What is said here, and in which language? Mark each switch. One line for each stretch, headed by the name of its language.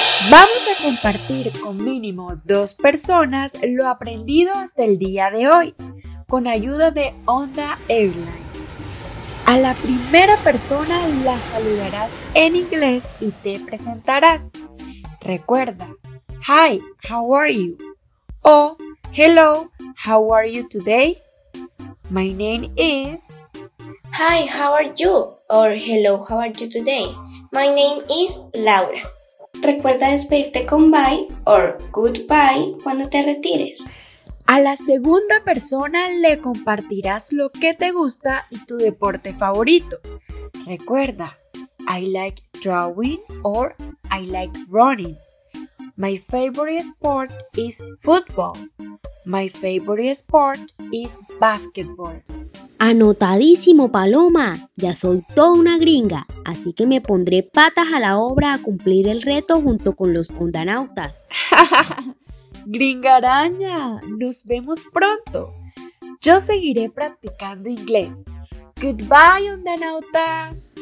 Spanish: Vamos a compartir con mínimo 2 personas lo aprendido hasta el día de hoy, con ayuda de Onda Airline. A la primera persona la saludarás en inglés y te presentarás. Recuerda,
English: Hi, how are you? O, Hello, how are you today? My name is... Hi, how are you? Or, Hello, how are you today? My name is Laura.
Spanish: Recuerda despedirte con
English: bye or goodbye
Spanish: cuando te retires. A la segunda persona le compartirás lo que te gusta y tu deporte favorito. Recuerda,
English: I like drawing or I like running. My favorite sport is football. My favorite sport is basketball.
Spanish: ¡Anotadísimo, Paloma! Ya soy toda una gringa, así que me pondré patas a la obra a cumplir el reto junto con los ondanautas. ¡Gringa araña! ¡Nos vemos pronto! Yo seguiré practicando inglés.
English: ¡Goodbye, ondanautas!